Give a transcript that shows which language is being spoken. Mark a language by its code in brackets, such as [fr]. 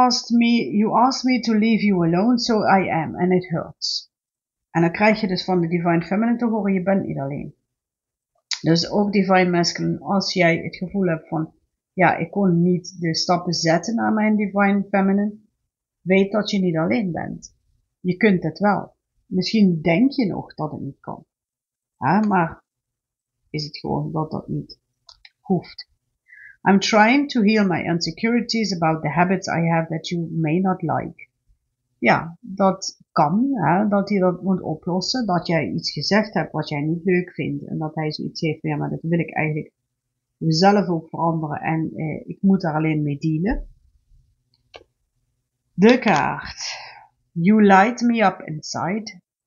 [en] You asked me to leave you alone, so I am, and it hurts. [nl] En dan krijg je dus van de Divine Feminine te horen, je bent niet alleen. Dus ook Divine Masculine, als jij het gevoel hebt van, ja, ik kon niet de stappen zetten naar mijn Divine Feminine, weet dat je niet alleen bent. Je kunt het wel. Misschien denk je nog dat het niet kan. Ja, maar is het gewoon dat dat niet hoeft. [en] I'm trying to heal my insecurities about the habits I have that you may not like. [nl] Ja, dat kan, hè, dat hij dat moet oplossen. Dat jij iets gezegd hebt wat jij niet leuk vindt. En dat hij zoiets heeft van, ja, maar dat wil ik eigenlijk zelf ook veranderen. En ik moet daar alleen mee dealen. De kaart. [en] You light me up inside.